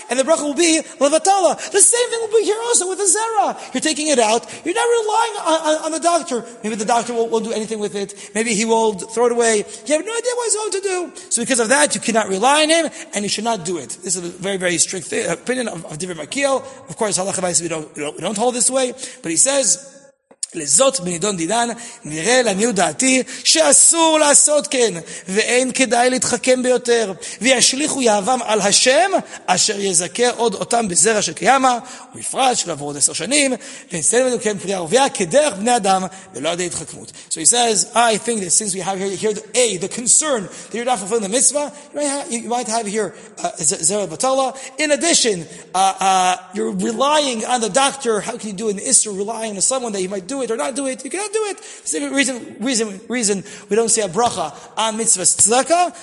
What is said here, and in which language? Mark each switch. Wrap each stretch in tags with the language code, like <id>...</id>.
<en>And the bracha will be Levatala. The same thing will be here. You're also with the Zera. You're taking it out. You're not relying on the doctor. Maybe the doctor won't do anything with it. Maybe he will throw it away. You have no idea what he's going to do. So because of that, you cannot rely on him, and you should not do it. This is a very, very strict opinion of Divrei Malkiel. Of course, halacha b'ayis, we don't hold this way. But he says,</en> <he>לזאת בנידון דידן, נראה לניו דעתי, שאסור לעשות כן, ואין כדאי להתחכם ביותר, וישליחו יהבם על השם, אשר יזכה עוד אותם בזרע שקיימה, ובפרט של עבור עוד 10 שנים, ונסיין לנו כן פריה רוויה, כדרך בני אדם, ולא עדי התחכמות.</he> <en>So he says, I think that since we have here the concern that you're not fulfilling the mitzvah, you might have here Zera Batala. In addition, you're relying on the doctor. How can you do an Isra relying on someone that you might do it or not do it? You cannot do it. Same reason we don't say a bracha on mitzvah tzedakah.</en>